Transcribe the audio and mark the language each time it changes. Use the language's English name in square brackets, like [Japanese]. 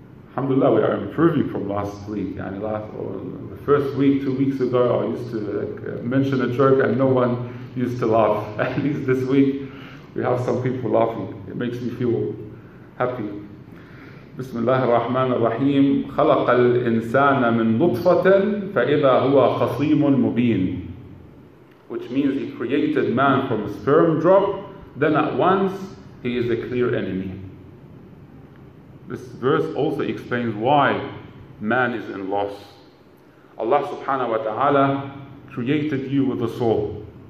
[English] Alhamdulillah, we are improving from last week. Yani the first week, 2 weeks ago, I used to mention a joke and no one used to laugh. At least this week, we have some people laughing. It makes me feel happy. Bismillah ar-Rahman ar-Rahim. [Arabic] خلق الإنسان من نطفة فإذا هو خصيم مبين. [English] Which means He created man from a sperm drop, then at once he is a clear enemy. This verse also explains why man is in loss. Allah subhanahu wa ta'ala created you with a soul.